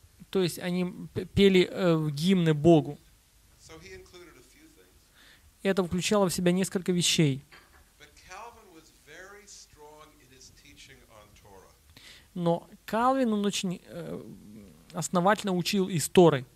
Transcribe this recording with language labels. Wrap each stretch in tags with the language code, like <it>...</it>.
<ru>То есть они пели гимны Богу.</ru> <en>So he included a few things.</en> <ru>Это включало в себя несколько вещей.</ru> <en>But Calvin was very strong in his teaching on Torah.</en> <ru>Но Кальвин, он очень основательно учил из Торы.</ru>